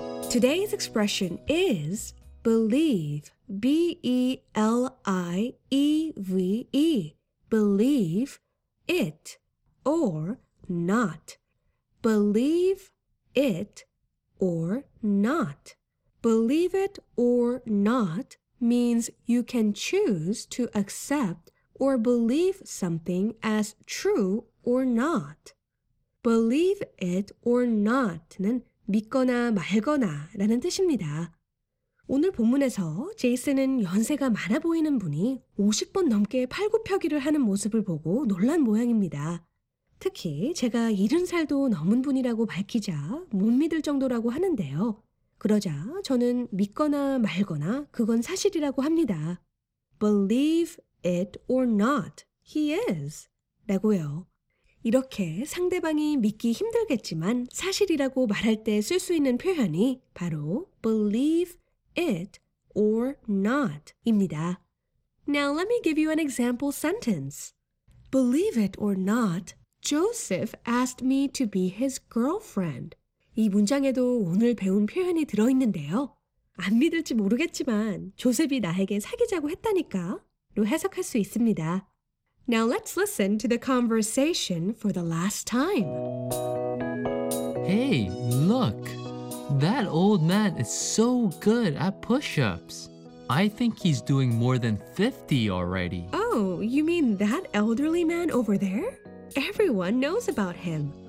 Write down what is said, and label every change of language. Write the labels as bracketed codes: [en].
[en] Today's expression is believe, B-E-L-I-E-V-E, believe it or not. Believe it or not. Believe it or not means you can choose to accept or believe something as true or not. Believe it or not [ko] 는 믿거나 말거나 라는 뜻입니다. 오늘 본문에서 제이슨은 연세가 많아 보이는 분이 50번 넘게 팔굽혀기를 하는 모습을 보고 놀란 모양입니다. 특히 제가 70살도 넘은 분이라고 밝히자 못 믿을 정도라고 하는데요. 그러자 저는 믿거나 말거나 그건 사실이라고 합니다. [en] Believe it or not, he is. [ko] 라고요. 이렇게 상대방이 믿기 힘들겠지만 사실이라고 말할 때 쓸 수 있는 표현이 바로 [en] believe it or not [ko] 입니다. [en] Now let me give you an example sentence. Believe it or not, Joseph asked me to be his girlfriend. [ko] 이 문장에도 오늘 배운 표현이 들어있는데요. 안 믿을지 모르겠지만 조셉이 나에게 사귀자고 했다니까 로 해석할 수 있습니다. [en] Now let's listen to the conversation for the last time. Hey, look. That old man is so good at push-ups. I think he's doing more than 50 already. Oh, you mean that elderly man over there? Everyone knows about him.